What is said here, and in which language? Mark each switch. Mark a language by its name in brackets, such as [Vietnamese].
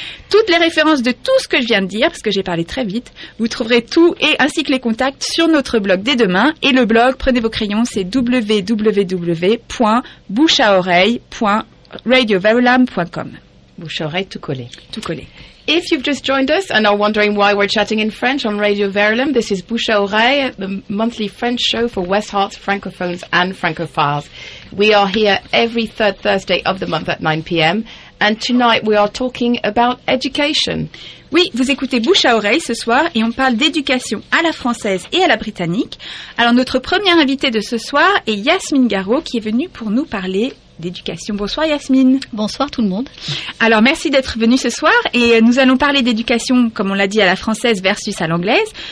[French] Toutes les références de tout ce que je viens de dire, parce que j'ai parlé très vite, vous trouverez tout et ainsi que les contacts sur notre blog dès demain. Et le blog, prenez vos crayons, c'est www.bouchaoreille.radioverulam.com. Bouche à oreille, tout collé. Tout collé. [English] If you've just joined us and are wondering why we're chatting in French on Radio Verulam, this is Bouche à oreille, the monthly French show for West Hearts, francophones and francophiles. We are here every third Thursday of the month at 9 p.m. and tonight we are talking about education. [French] Oui, vous écoutez Bouche à oreille ce soir et on parle d'éducation à la française et à la britannique. Alors notre première invitée de ce soir est Yasmine Garraud qui est venue pour nous parler d'éducation. Bonsoir Yasmine. Bonsoir tout le monde. Alors merci d'être venue ce soir et nous allons parler d'éducation, comme on l'a dit, à la française versus à l'anglaise.